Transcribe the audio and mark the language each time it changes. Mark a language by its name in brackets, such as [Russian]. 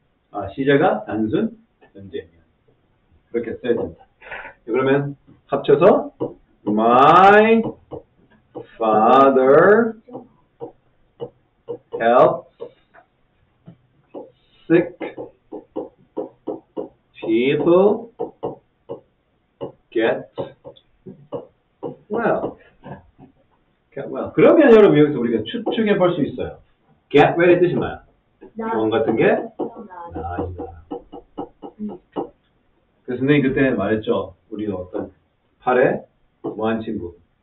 [Korean] 아, 시제가 단순 현재입니다. 그렇게 써야 된다. 그러면 합쳐서, [English] My father helps sick people get well. [Korean] 그러면 여러분 여기서 우리가 추측해 볼 수 있어요. get well의 뜻이 뭐야? 병원 같은 게 나아진다. 그 선생님 그때 말했죠. 우리 어떤 팔에 뭐한 친구?